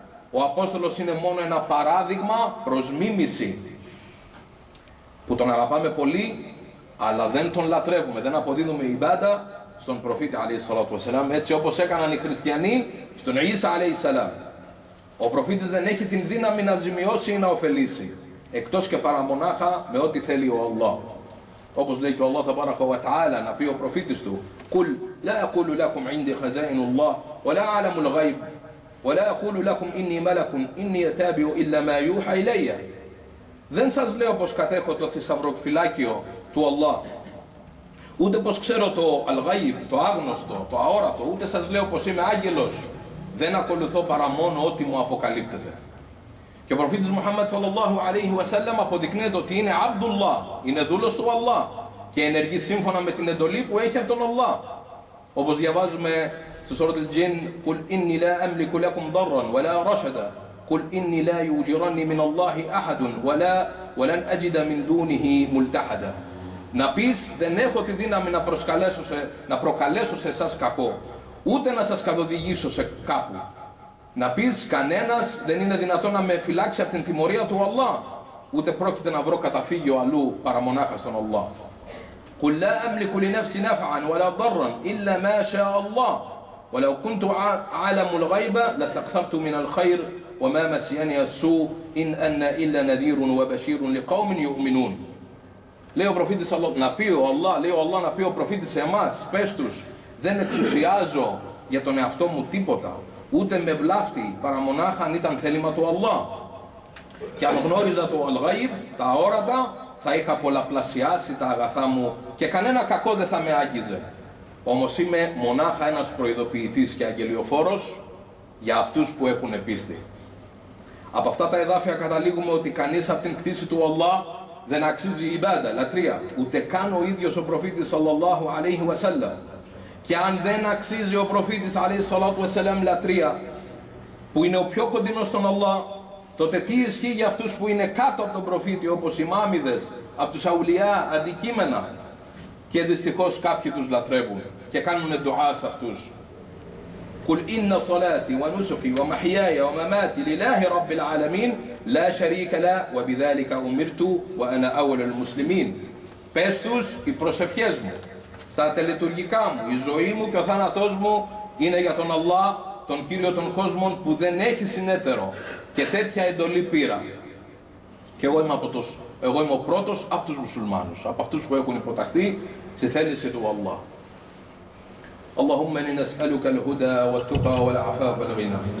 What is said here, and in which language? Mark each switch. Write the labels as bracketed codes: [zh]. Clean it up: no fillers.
[el] Ο Απόστολος είναι μόνο ένα παράδειγμα προς μίμηση που τον αγαπάμε πολύ αλλά δεν τον λατρεύουμε, δεν αποδίδουμε ιμπάντα στον προφήτη alayhi salatu wa sallam, έτσι όπως έκαναν οι χριστιανοί στον Ίσα alayhi salam. Ο προφήτης δεν έχει την δύναμη να ζημιώσει ή να ωφελήσει εκτός και παρά μονάχα με ό,τι θέλει ο Αλλάχ. Όπως λέει και ο Αλλάχ ταμπάρακα wa ta'άλα να πει ο προφήτης του [ar] «Κουλ, لا أقول لكم عندي خزائن الله ولا أعلم الغيب ولا أقول لكم إني ملك إني أتابع إلا ما يوحى إلي». [el] Δεν σας λέω πως κατέχω το θησαυροφυλάκιο του Αλλάχ, ούτε πως ξέρω το αλγαϊμ, το άγνωστο, το αόρατο, ούτε σας λέω πως είμαι άγγελος, δεν ακολουθώ παρά μόνο ό,τι μου αποκαλύπτεται. Και ο προφήτης Μουχάμμαντ sallallahu alayhi wa sallam αποδεικνύεται ότι είναι Abdullah, είναι δούλος του Αλλά και ενεργεί σύμφωνα με την εντολή που έχει από τον Αλλά. Όπως διαβάζουμε στο Σούρα Τζιν, [ar] «Κουλ ίνι λα αμλικου λακουμ δαρραν ولا رشدا قل إني لا يوجرني من الله أحد ولا ولن أجد من دونه ملتحدا». [el] Να πεις δεν έχω τη δύναμη να προσκαλέσω σε, να προκαλέσω σε εσάς κακό, ούτε να σας καθοδηγήσω σε κάπου. Να πεις κανένας δεν είναι δυνατόν να με φυλάξει από την τιμωρία του Αλλά, ούτε πρόκειται να βρω καταφύγιο αλλού παρά μονάχα στον Αλλά. [ar] قل لا أملك لنفسي نفعا ولا ضرا إلا ما شاء الله ولو كنت عالم الغيب لاستكثرت من الخير وما مسيني السوء إن أنا إلا نذير وبشير لقوم يؤمنون. [el] Λέει ο προφήτης Αλλάχ, να πει ο Αλλάχ, λέει ο Αλλάχ να πει ο προφήτης σε εμάς, πες τους, δεν εξουσιάζω για τον εαυτό μου τίποτα, ούτε με βλάφτη, παρά μονάχα αν ήταν θέλημα του Αλλάχ. Και αν γνώριζα το αλγαϊμ, τα αόρατα, θα είχα πολλαπλασιάσει τα αγαθά μου και κανένα κακό δεν θα με άγγιζε. Όμως είμαι μονάχα ένας προειδοποιητής και αγγελιοφόρος για αυτούς που έχουν πίστη. Από αυτά τα εδάφια καταλήγουμε ότι κανείς από την κτήση του Αλλάχ δεν αξίζει ιμπάντα, λατρεία, ούτε καν ο ίδιος ο προφήτης sallallahu alayhi wa sallam. Και αν δεν αξίζει ο προφήτης alayhi salatu wa sallam λατρεία, που είναι ο πιο κοντινός στον Αλλάχ, τότε τι ισχύει για αυτούς που είναι κάτω από τον προφήτη, όπως οι μάμιδες, από τους αουλιά, αντικείμενα? Και δυστυχώς κάποιοι τους λατρεύουν και κάνουν ντουά σε αυτούς. [ar] قل إن صلاتي ونسكي ومحياي ومماتي لله رب العالمين لا شريك له وبذلك أمرت وأنا أول المسلمين. [el] Πες τους οι προσευχές μου, τα τελετουργικά μου, η ζωή μου και ο θάνατός μου είναι για τον Αλλάχ, τον Κύριο των κόσμων που δεν έχει συνέτερο και τέτοια εντολή πήρα. Και εγώ είμαι, εγώ είμαι ο πρώτος από τους μουσουλμάνους, από αυτούς που έχουν υποταχθεί στη θέληση του Αλλάχ. [ar] اللهم إني نسألك الهدى والتقى والعفاف والغنى